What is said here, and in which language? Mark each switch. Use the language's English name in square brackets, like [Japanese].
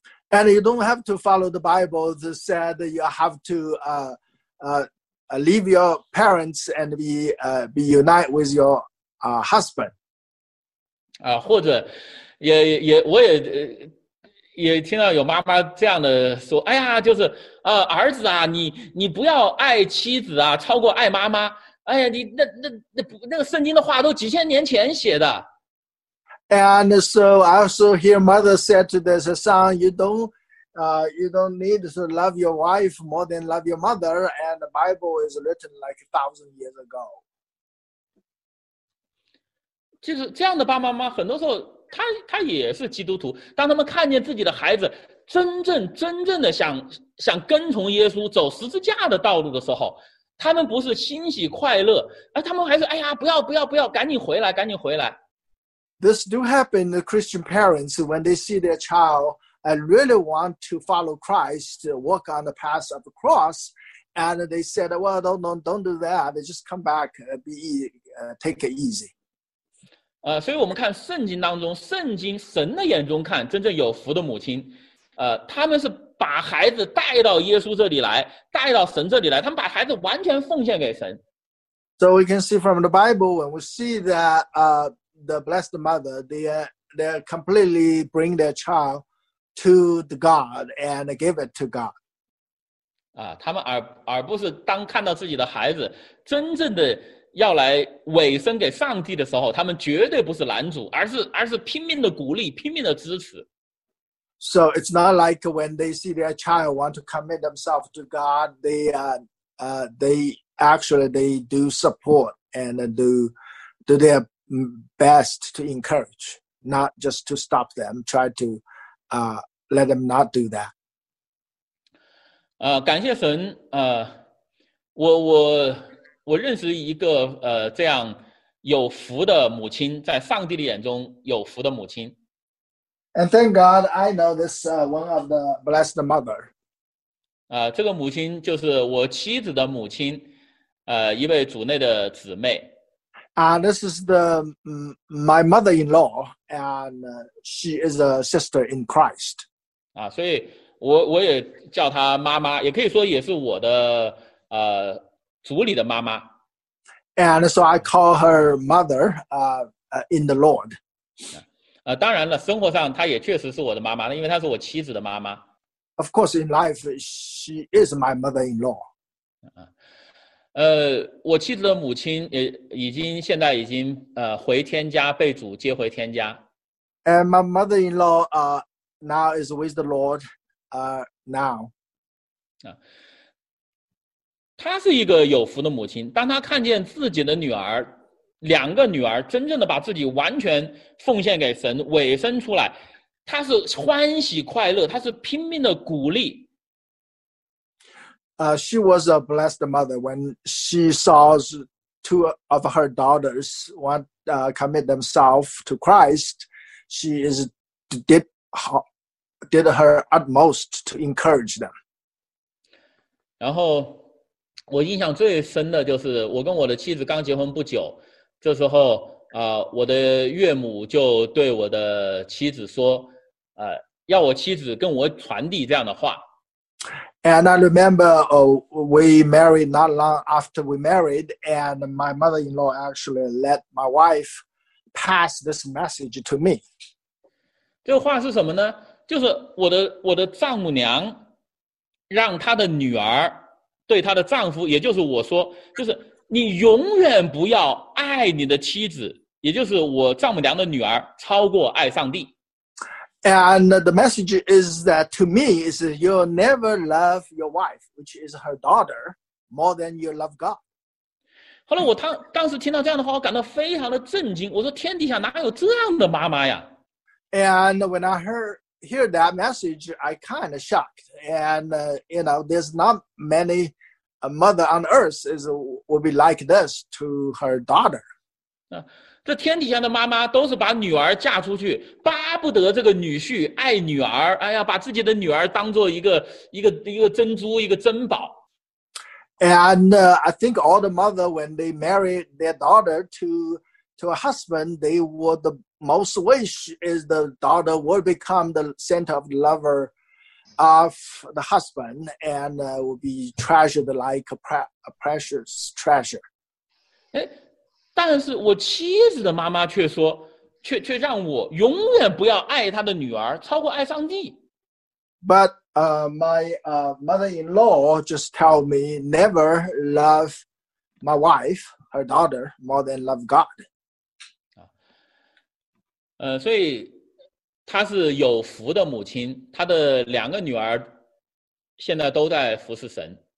[English] And you don't have to follow the Bible that said you have to leave your parents and be united with your husband. [Chinese] 啊，或者也我也。也听到有妈妈这样的说，哎呀，就是儿子啊，你不要爱妻子啊超过爱妈妈。哎呀，你那个圣经的话都几千年前写的。 [English] And so I also hear mother said to this son, you don't need to love your wife more than love your mother, and the Bible is written like 1,000 years ago. [Chinese] 就是这样的爸妈妈，很多时候他也是基督徒，当他们看见自己的孩子真正的想跟从耶稣走十字架的道路的时候，他们不是欣喜快乐，而他们还是哎呀，不要赶紧回来。 [English] This do happen to Christian parents when they see their child and really want to follow Christ, walk on the path of the cross, and they said, well, don't do that, they just come back, take it easy. [Chinese] 所以我们看圣经当中，圣经神的眼中看真正有福的母亲，他们是把孩子带到耶稣这里来，带到神这里来，他们把孩子完全奉献给神。 [English] So we can see from the Bible, when we see that the blessed mother, they completely bring their child to the God and give it to God. [Chinese] 他们而不是当看到自己的孩子真正的要来委身给上帝的时候，他们绝对不是拦阻，而是拼命的鼓励，拼命的支持。 [English] So it's not like when they see their child want to commit themselves to God, they do support and do their best to encourage, not just to stop them, try to let them not do that. [Chinese] 感谢神，我认识一个这样有福的母亲，在上帝的眼中有福的母亲。 [English] And thank God, I know this one of the blessed mother. [Chinese] 这个母亲就是我妻子的母亲，一位主内的姊妹。 [English] This is the my mother-in-law, and she is a sister in Christ. [Chinese] 所以我也叫她妈妈，也可以说也是我的主里的妈妈。 [English] And so I call her mother in the Lord. [Chinese] 当然了，生活上她也确实是我的妈妈，因为她是我妻子的妈妈。 [English] Of course, in life, she is my mother-in-law. [Chinese] 我妻子的母亲现在已经回天家，被主接回天家。 [English] And my mother-in-law now is with the Lord now. [Chinese] 她是一个有福的母亲，当她看见自己的女儿，两个女儿真正的把自己完全奉献给神，委身出来，她是欢喜快乐，她是拼命的鼓励。 [English] She was a blessed mother when she saw two of her daughters want commit themselves to Christ. She is did her utmost to encourage them. [Chinese] 然后我印象最深的就是我跟我的妻子刚结婚不久，这时候我的岳母就对我的妻子说，要我妻子跟我传递这样的话。 [English] And I remember we married not long after we married, and my mother-in-law actually let my wife pass this message to me. [Chinese] 这话是什么呢？就是我的丈母娘让她的女儿对她的丈夫，也就是我说，就是你永远不要爱你的妻子，也就是我丈母娘的女儿，超过爱上帝。 [English] And the message is that to me is you'll never love your wife, which is her daughter, more than you love God. [Chinese] 后来我当时听到这样的话，我感到非常的震惊。我说天底下哪有这样的妈妈呀？ [English] And when I hear that message, I kind of shocked. And you know, there's not many a mother on earth will be like this to her daughter. [Chinese] 这天底下的妈妈都是把女儿嫁出去，巴不得这个女婿爱女儿，哎呀，把自己的女儿当做一个珍珠，一个珍宝。 [English] And I think all the mother when they marry their daughter to a husband, they would the most wish is the daughter would become the center of the lover of the husband and would be treasured like a precious treasure. [Chinese] 但是我妻子的妈妈却说 却让我永远不要爱她的女儿超过爱上帝。 [English] But my mother-in-law just tell me never love my wife, her daughter, more than love God. [Chinese] 所以她是有福的母亲，她的两个女儿现在都在服侍神。